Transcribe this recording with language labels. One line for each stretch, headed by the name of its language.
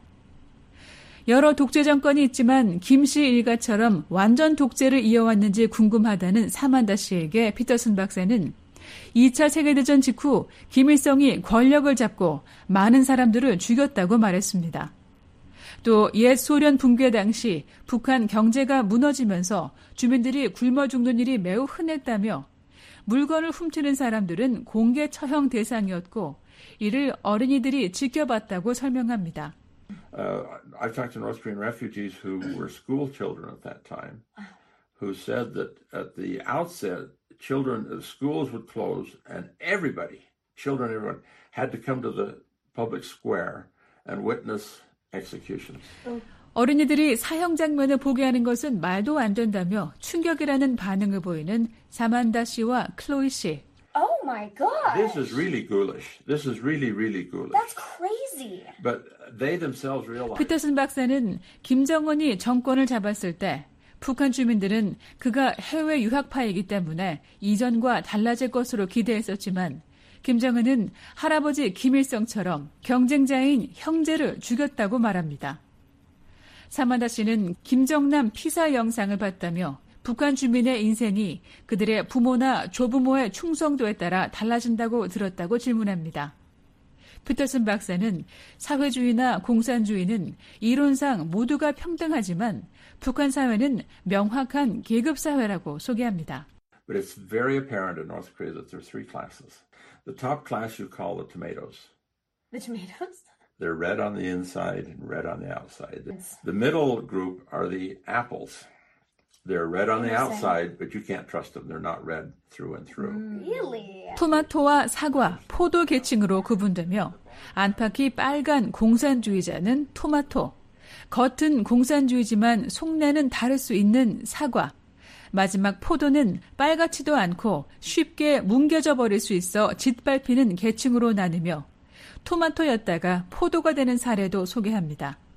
Korean: 여러 독재 정권이 있지만 김 씨 일가처럼 완전 독재를 이어왔는지 궁금하다는 사만다 씨에게 피터슨 박사는 2차 세계대전 직후 김일성이 권력을 잡고 많은 사람들을 죽였다고 말했습니다. 또 옛 소련 붕괴 당시 북한 경제가 무너지면서 주민들이 굶어 죽는 일이 매우 흔했다며 물건을 훔치는 사람들은 공개 처형 대상이었고 이를 어린이들이 지켜봤다고 설명합니다.
English: I've talked to North Korean refugees who were school children at that time who said that at the outset children of schools would close and everybody, children everyone had to come to the public square and witness executions.
Korean: 어린이들이 사형 장면을 보게 하는 것은 말도 안 된다며 충격이라는 반응을 보이는 사만다 씨와 클로이 씨.
English: Oh, my God. This is really ghoulish. This is really, really ghoulish. That's crazy. But they themselves realize.
Korean: 피터슨 박사는 김정은이 정권을 잡았을 때 북한 주민들은 그가 해외 유학파이기 때문에 이전과 달라질 것으로 기대했었지만 김정은은 할아버지 김일성처럼 경쟁자인 형제를 죽였다고 말합니다. 사만다 씨는 김정남 피사 영상을 봤다며 북한 주민의 인생이 그들의 부모나 조부모의 충성도에 따라 달라진다고 들었다고 질문합니다. 피터슨 박사는 사회주의나 공산주의는 이론상 모두가 평등하지만 북한 사회는 명확한 계급 사회라고 소개합니다.
English: But it's very apparent in North Korea that there are three classes. The top class you call the tomatoes. The tomatoes? They're red on the inside and red on the outside. The middle group are the apples. They're red on the outside, but you can't trust them. They're not red through and through. Really?
Korean: 토마토와 사과, 포도 계층으로 구분되며 안팎이 빨간 공산주의자는 토마토, 겉은 공산주의지만 속내는 다를 수 있는 사과, 마지막 포도는 빨갛지도 않고 쉽게 뭉겨져 버릴 수 있어 짓밟히는 계층으로 나누며 토마토였다가 포도가 되는 사례도 소개합니다.